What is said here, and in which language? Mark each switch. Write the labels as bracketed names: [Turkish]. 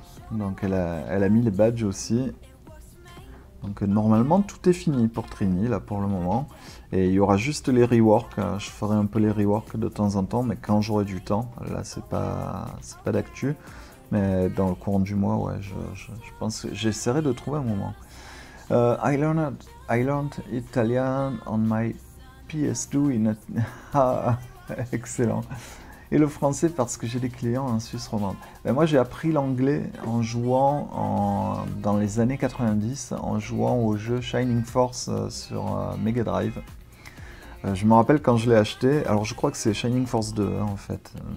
[French] Donc elle a mis les badges aussi. Donc normalement tout est fini pour Trini là pour le moment et il y aura juste les rework. Je ferai un peu les rework de temps en temps, mais quand j'aurai du temps. Là c'est pas d'actu, mais dans le courant du mois, ouais, je pense que j'essaierai de trouver un moment. [English] I learned Italian on my PS2 in a... Excellent. [French] Et le français parce que j'ai des clients en Suisse romande. Ben moi j'ai appris l'anglais en jouant dans les années 90, en jouant au jeu Shining Force sur Mega Drive. Je me rappelle quand je l'ai acheté, alors je crois que c'est Shining Force 2 hein, en fait.